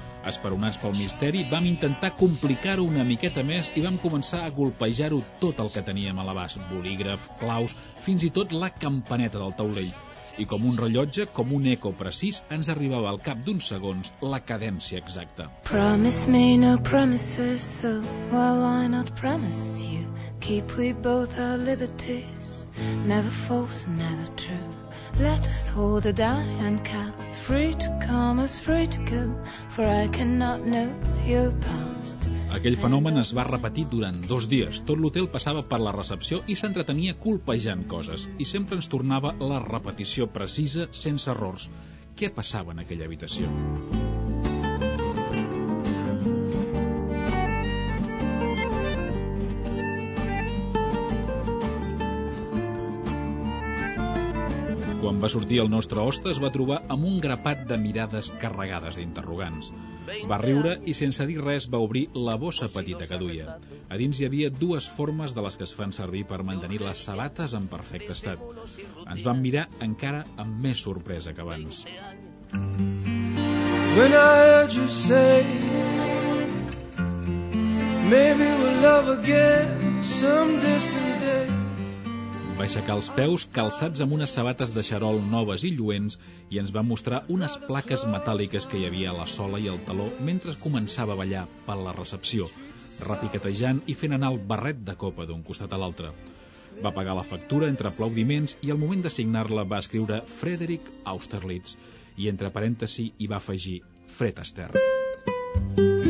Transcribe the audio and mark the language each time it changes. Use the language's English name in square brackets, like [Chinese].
[Catalan] Esperonats pel misteri, vam intentar complicar-ho una miqueta més i vam començar a golpejar-ho tot el que teníem a l'abast, bolígraf, claus, fins i tot la campaneta del taulell. I com un rellotge, com un eco precís, ens arribava al cap d'uns segons la cadència exacta. [English] Promise me no promises, so while I not promise you, keep we both our liberties. Never false, never true. Let us hold the die and cast. Free to come as free to go. For I cannot know your past. [Catalan] Aquell fenomen es va repetir durant 2 dies. Tot l'hotel passava per la recepció i s'entretenia colpejant coses. I sempre ens tornava la repetició precisa, sense errors. Què passava en aquella habitació? Quan va sortir el nostre hoste, es va trobar amb un grapat de mirades carregades d'interrogants. Va riure i, sense dir res, va obrir la bossa petita que duia. A dins hi havia 2 formes de les que es fan servir per mantenir les sabates en perfecte estat. Ens van mirar encara amb més sorpresa que abans. [English] When I heard you say maybe we'll love again some distant day. [Catalan] Va aixecar els peus, calçats amb unes sabates de xarol noves i lluents, i ens va mostrar unes plaques metàl·liques que hi havia a la sola i al taló mentre començava a ballar per la recepció, repiquetejant i fent anar el barret de copa d'un costat a l'altre. Va pagar la factura entre aplaudiments i al moment de signar-la va escriure Frederick Austerlitz i entre parèntesi hi va afegir Fred Astaire.